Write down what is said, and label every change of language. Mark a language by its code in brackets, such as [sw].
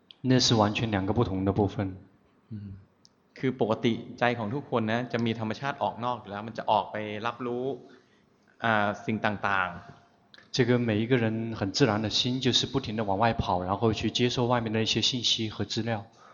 [zh] 那是完全两个不同的部分 [th] คือปกติใจของทุกคนนะจะมีธรรมชาติออกนอกอยู่แล้วมันจะออกไปรับรู้สิ่งต่าง [zh] ๆ这个每一个人很自然的心就是不停的往外跑然后去接受外面的一些信息和资料